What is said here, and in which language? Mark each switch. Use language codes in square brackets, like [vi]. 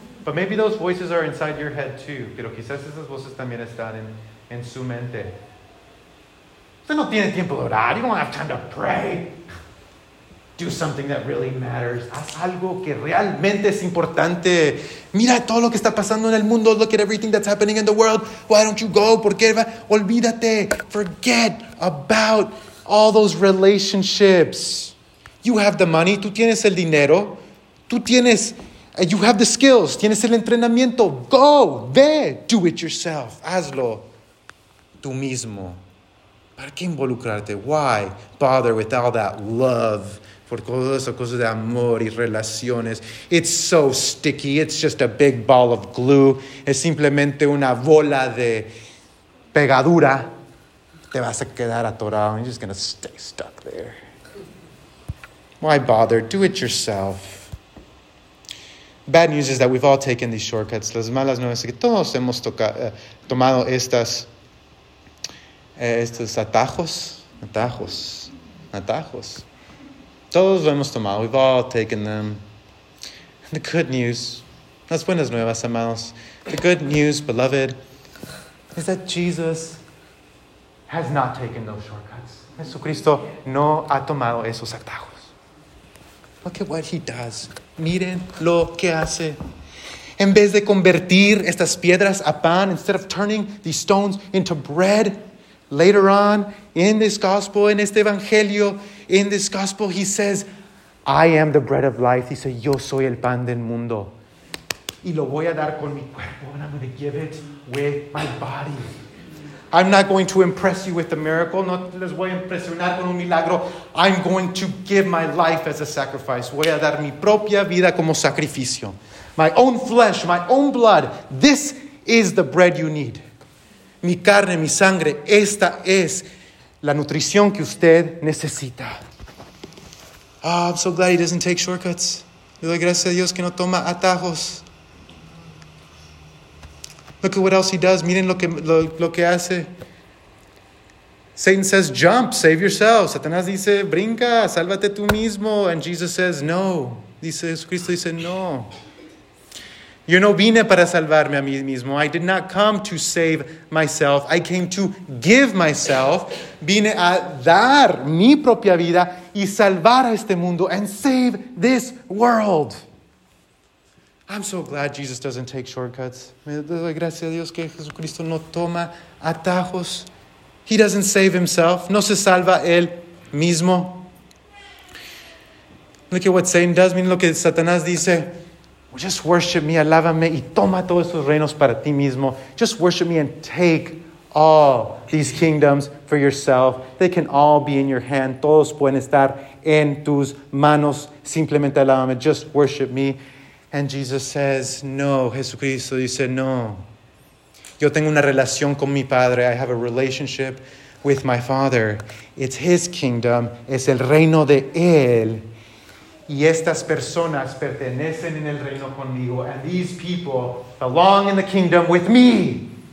[en] But maybe those voices are inside your head too. [es] Pero quizás esas voces también están en su mente. Usted no tiene tiempo de orar. [en] You don't have time to pray. Do something that really matters. [es] Haz algo que realmente es importante. Mira todo lo que está pasando en el mundo. [en] Look at everything that's happening in the world. Why don't you go? [es] ¿Por qué? Olvídate. [en] Forget about all those relationships. You have the money. [es] Tú tienes el dinero. Tú tienes... [en] You have the skills. [es] Tienes el entrenamiento. [en] Go. [es] Ve. [en] Do it yourself. [es] Hazlo tú mismo. ¿Para qué involucrarte? [en] Why bother with all that love? [es] Por cosas, cosas de amor y relaciones. [en] It's so sticky. It's just a big ball of glue. [es] Es simplemente una bola de pegadura. Te vas a quedar atorado. [en] You're just going to stay stuck there. Why bother? Do it yourself. Bad news is that we've all taken these shortcuts. [es] Las malas nuevas es que todos hemos tomado estos atajos. Todos lo hemos tomado. [en] We've all taken them. The good news. [es] Las buenas nuevas, amados. [en] The good news, beloved, is that Jesus has not taken those shortcuts. [es] Jesucristo no ha tomado esos atajos. [en] Look at what he does. [es] Miren lo que hace. En vez de convertir estas piedras a pan, [en] instead of turning these stones into bread, Later on, in this gospel, [es] en este evangelio, [en] in this gospel, he says, I am the bread of life. [es] Dice, yo soy el pan del mundo. Y lo voy a dar con mi cuerpo. [en] And I'm going to give it with my body. I'm not going to impress you with a miracle. [es] No les voy a impresionar con un milagro. [en] I'm going to give my life as a sacrifice. [es] Voy a dar mi propia vida como sacrificio. [en] My own flesh, my own blood. This is the bread you need. [es] Mi carne, mi sangre, esta es la nutrición que usted necesita. [en] Oh, I'm so glad he doesn't take shortcuts. [es] Le doy gracias a Dios que no toma atajos. [en] Look at what else he does. [es] Miren lo que hace. [en] Satan says, jump, save yourself. [es] Satanás dice, brinca, sálvate tú mismo. [en] And Jesus says, no. [es] Dice, Jesucristo dice, no. Yo no vine para salvarme a mí mismo. [en] I did not come to save myself. I came to give myself. [es] Vine a dar mi propia vida y salvar a este mundo [en] and save this world. I'm so glad Jesus doesn't take shortcuts. [es] Me doy gracias a Dios que Jesucristo no toma atajos. [en] He doesn't save himself. [es] No se salva él mismo. [en] Look at what Satan does. [es] Miren lo que Satanás dice. [en] Just worship me, [es] alábame y toma todos esos reinos para ti mismo. [en] Just worship me and take all these kingdoms for yourself. They can all be in your hand. [es] Todos pueden estar en tus manos. Simplemente alábame. [en] Just worship me. And Jesus says, no. [es] Jesucristo dice, no. Yo tengo una relación con mi Padre. [en] I have a relationship with my Father. It's his kingdom. [es] Es el reino de él. Y estas personas pertenecen en el reino conmigo. [en] And these people belong in the kingdom with me.